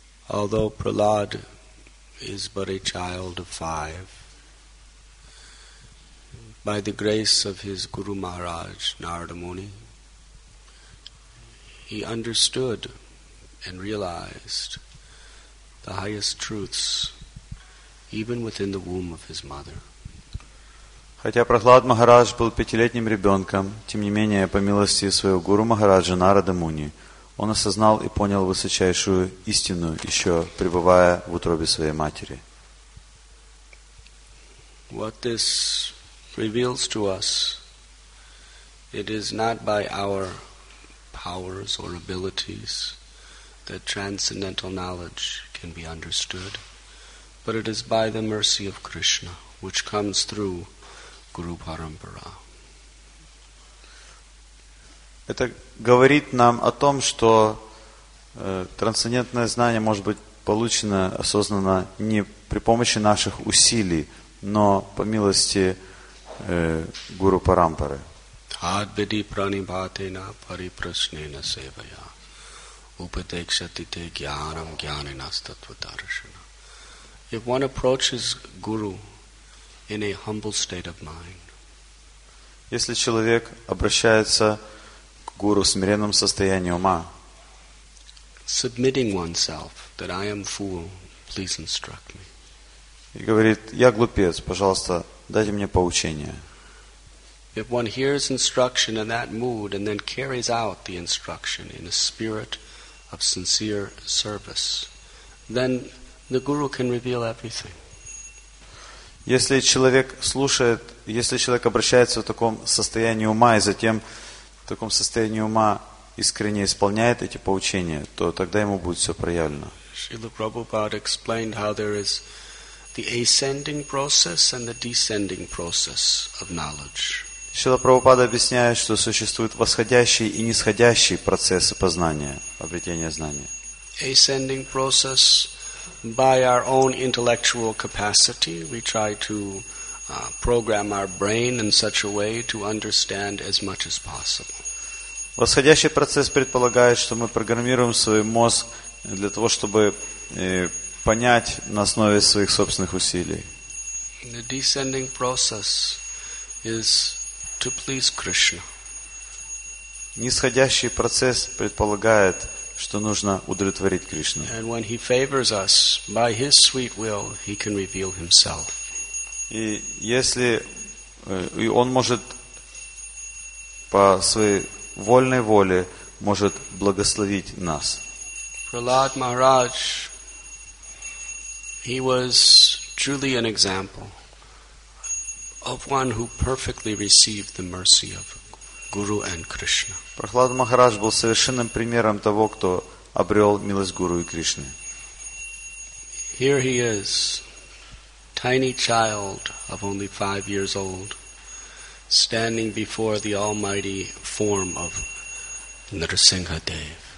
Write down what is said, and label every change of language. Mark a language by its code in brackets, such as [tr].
[en] Although Prahlad is but a child of five, by the grace of his Guru Maharaj, Narada Muni, he understood and realized the highest truths even within the womb of his mother. [ru] Хотя Прахлад Махарадж был пятилетним ребенком, тем не менее, по милости своего Гуру Махараджа Нарада Муни, он осознал и понял высочайшую истину, еще пребывая в утробе своей матери. [en] What this reveals to us, it is not by our powers or abilities that transcendental knowledge can be understood, but it is by the mercy of Krishna, which comes through Guru Parampara. [ru] Это говорит нам о том, что трансцендентное знание может быть получено осознанно не при помощи наших усилий, но по милости Гуру Парампары. [sa] Адбеди пранибатена парипрасненна севая упатекшатите гьянам гьянинастатватаршина. [en] If one approaches Guru in a humble state of mind, [ru] если человек обращается к Гуру в смиренном состоянии ума, [en] submitting oneself that I am fool, please instruct me. [ru] И говорит: я глупец, пожалуйста, дайте мне поучение. [en] If one hears instruction in that mood and then carries out the instruction in a spirit of sincere service, then the guru can reveal everything. [ru] Если человек слушает, если человек обращается в таком состоянии ума и затем в таком состоянии ума искренне исполняет эти поучения, то тогда ему будет все проявлено. [en] Шрила Прабхупада explained how there is the ascending process and the descending process of knowledge. [ru] Шрила Прабхупада объясняет, что существуют восходящие и нисходящие процессы познания, обретения знания. [en] Ascending process. By our own intellectual capacity, we try to program our brain in such a way to understand as much as possible. [ru] Восходящий процесс предполагает, что мы программируем свой мозг для того, чтобы понять на основе своих собственных усилий. [en] The descending process is to please Krishna. [ru] Нисходящий процесс предполагает, что нужно удовлетворить Кришну. [en] And when he favors us by his sweet will, he can reveal himself. [ru] И если и он может по своей вольной воле может благословить нас. [en] Prahlad Maharaj, he was truly an example of one who perfectly received the mercy of Guru and Krishna. [ru] Прахлад Махарадж был совершенным примером того, кто обрел милость Гуру и Кришны. [en] Here he is, tiny child of only 5 years old, standing before the almighty form of Нарасингха Дев.